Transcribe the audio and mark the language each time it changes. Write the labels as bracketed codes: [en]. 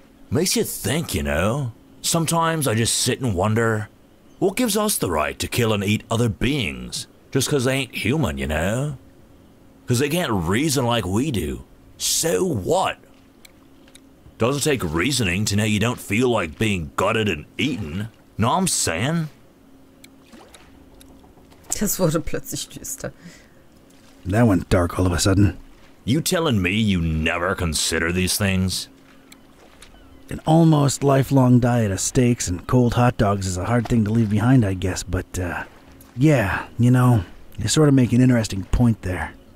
[en] Makes you think, you know? Sometimes I just sit and wonder, what gives us the right to kill and eat other beings just because they ain't human, you know? Because they can't reason like we do. So what? Doesn't take reasoning to know you don't feel like being gutted and eaten. Know what I'm saying? [de] Das wurde plötzlich düster. [en] That went dark all of a sudden. You telling me you never consider these things? An almost lifelong diet of steaks and cold hot dogs is a hard thing to leave behind, I guess, but, yeah, you know, you sort of make an interesting point there.